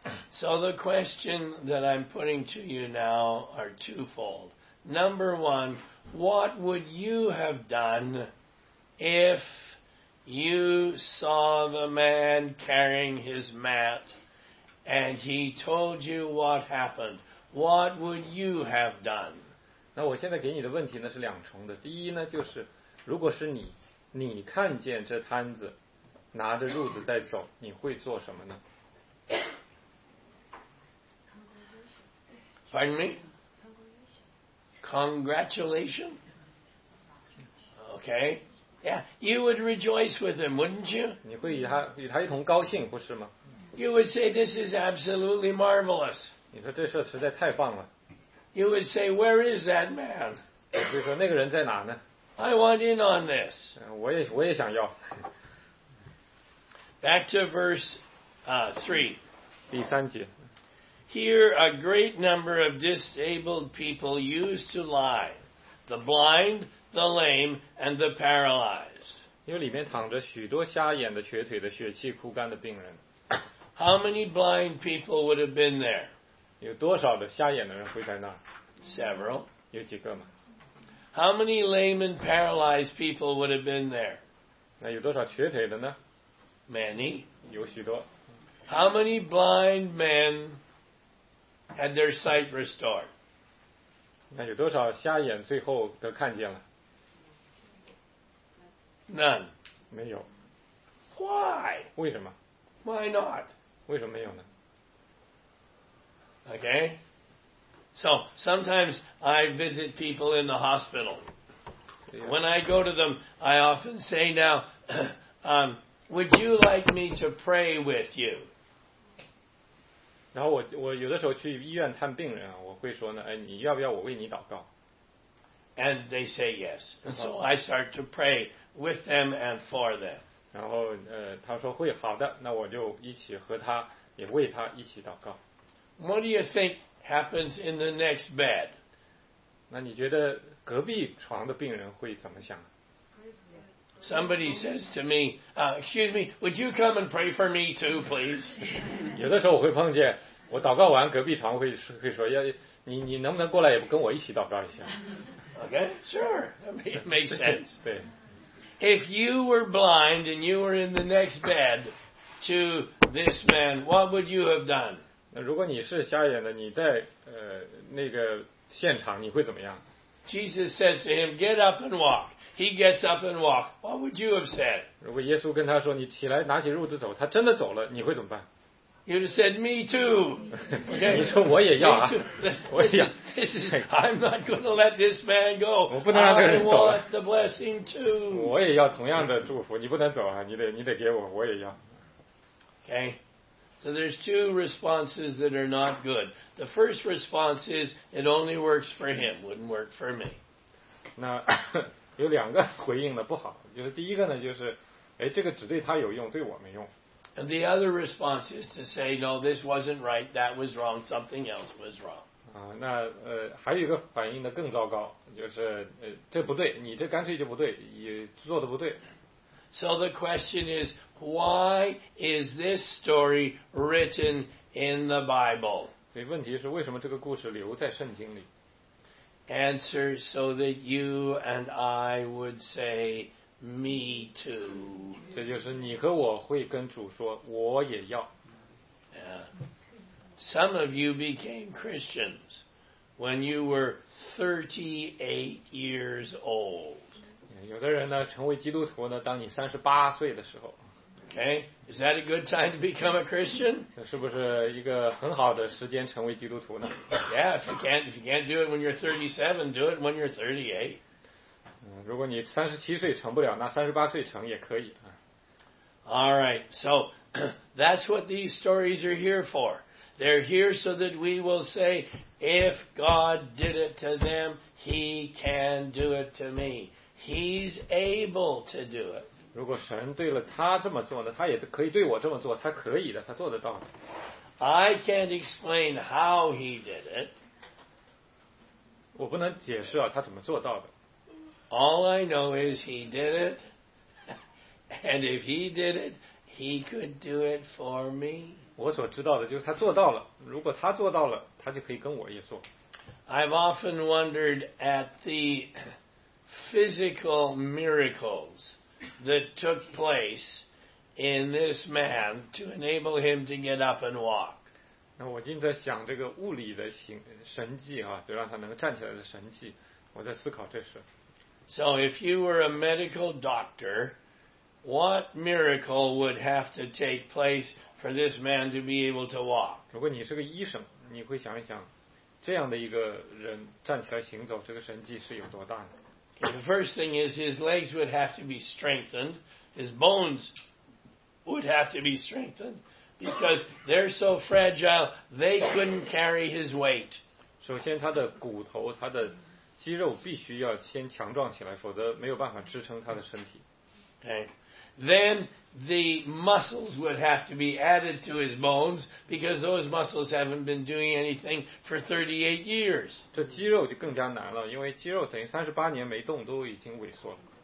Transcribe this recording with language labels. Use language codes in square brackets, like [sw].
[en] So the question that I'm putting to you now are twofold. Number one, what would you have done if you saw the man carrying his mat and he told you what happened? What would you have done? [zh] 那我现在给你的问题呢是两重的。第一呢就是，如果是你看见这摊子拿着褥子在走，你会做什么呢？ [en] Pardon me? Congratulations? Okay. Yeah, you would rejoice with him, wouldn't you? [zh] 你会与他一同高兴，不是吗？ [en] You would say, this is absolutely marvelous. [zh] 你说这事实在太棒了。 [en] You would say, where is that man? [zh] 你说那个人在哪呢？ [en] I want in on this. [zh] 我也想要。 [en] Back to verse 3. [zh] 第三节。 [en] Here a great number of disabled people used to lie, the blind, the lame, and the paralyzed. [zh] 因为里面躺着许多瞎眼的、瘸腿的、血气枯干的病人。 [en] How many blind people would have been there? [zh] 有多少的瞎眼的人会在那？ [en] Several. [zh] 有几个吗？ [en] How many lame and paralyzed people would have been there? [zh] 那有多少瘸腿的呢？ [en] Many. [zh] 有许多。 [en] How many blind men had their sight restored? [zh] 那有多少瞎眼最后都看见了？ [en] None. [zh] 没有。 [en] Why? [zh] 为什么？ [en] Why not? [zh] 为什么没有呢？ [en] Okay. So, sometimes I visit people in the hospital. When I go to them, I often say now, Would you like me to pray with you? [zh] 然后我有的时候去医院探病人啊，我会说呢，哎，你要不要我为你祷告？ [en] And they say yes. And so I start to pray with them and for them. [zh] 然后他说会，好的，那我就一起和他，也为他一起祷告。 [en] What do you think happens in the next bed? [zh] 那你觉得隔壁床的病人会怎么想？ [en] Somebody says to me, excuse me, would you come and pray for me too, please? [zh] 有的时候我会碰见，我祷告完，隔壁床会说，要你能不能过来也跟我一起祷告一下？ [en] Okay, sure, that makes sense. [zh] 对。 [en] If you were blind and you were in the next bed to this man, what would you have done? [zh] 那如果你是瞎眼的，你在那个现场，你会怎么样？ [en] Jesus says to him, get up and walk. He gets up and walk. What would you have said? [zh] 如果耶稣跟他说，你起来拿起褥子走，他真的走了，你会怎么办？ [en] You would have said, me too. Okay. [zh] 你说我也要啊，我也要。 [en] I'm not going to let this man go. [zh] 我不能让这个人走了。 [en] I want the blessing too. [zh] 我也要同样的祝福，你不能走啊，你得给我，我也要。 [en] Okay. So there's two responses that are not good. The first response is, it only works for him, wouldn't work for me. [zh] 那有两个回应的不好，就是第一个呢，就是，哎，这个只对他有用，对我没用。 [en] And the other response is to say, no, this wasn't right, that was wrong, something else was wrong. [zh] 那还有一个反应的更糟糕，就是这不对，你这干脆就不对，你做的不对。 [en] So the question is, why is this story written in the Bible? [zh] 所以问题是为什么这个故事留在圣经里？ [en] Answer so that you and I would say, me too. [zh] 这就是你和我会跟主说，我也要。 [en] Yeah. Some of you became Christians when you were 38 years old. [zh] 有的人呢成为基督徒呢当你38岁的时候。 [en] Okay, is that a good time to become a Christian? [zh] 是不是一个很好的时间成为基督徒呢？ [en] Yeah, if you can't do it when you're 37, do it when you're 38. [zh] 如果你37岁成不了，那38岁成也可以。 [en] All right, so that's what these stories are here for. They're here so that we will say, if God did it to them, He can do it to me. He's able to do it. [zh] 如果神对了他这么做呢，他也可以对我这么做，他可以的，他做得到的。 [en] I can't explain how He did it. [zh] 我不能解释啊，他怎么做到的。 [en] All I know is He did it. And if He did it, He could do it for me. [zh] 我所知道的就是他做到了，如果他做到了，他就可以跟我也做。 [en] I've often wondered at the physical miracles that took place in this man to enable him to get up and walk. [zh] 那我经常想这个物理的神迹啊，就让他能站起来的神迹，我在思考这事。 [en] So if you were a medical doctor, what miracle would have to take place for this man to be able to walk? [zh] 如果你是个医生，你会想一想，这样的一个人站起来行走，这个神迹是有多大呢？ [en] The first thing is his legs would have to be strengthened. His bones would have to be strengthened because they're so fragile they couldn't carry his weight. [zh] 首先他的骨头他的肌肉必须要先强壮起来，否则没有办法支撑他的身体。 [en] Okay. Then the muscles would have to be added to his bones because those muscles haven't been doing anything for 38 years. [zh] 这肌肉就更加难了，因为肌肉等于38年没动，都已经萎缩了。